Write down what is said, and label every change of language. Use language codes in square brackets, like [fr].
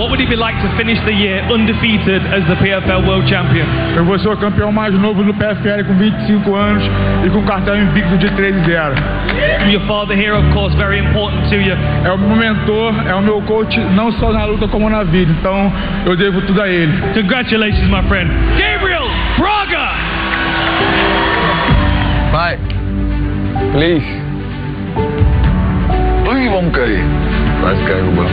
[en] What would it be like to finish the year undefeated as the PFL World Champion? [pt] Eu vou ser o campeão mais novo do PFL com 25 anos e com cartão invicto de 3-0. [en] Your father here, of course, very important to you. [pt] É o meu mentor, é o meu coach, não só na luta como na vida. Então, eu devo tudo a ele. [en] Congratulations, my friend. Gabriel Braga! Bye. Please. [pt] Please, vamos cair. Vai ficar aí, Rubão.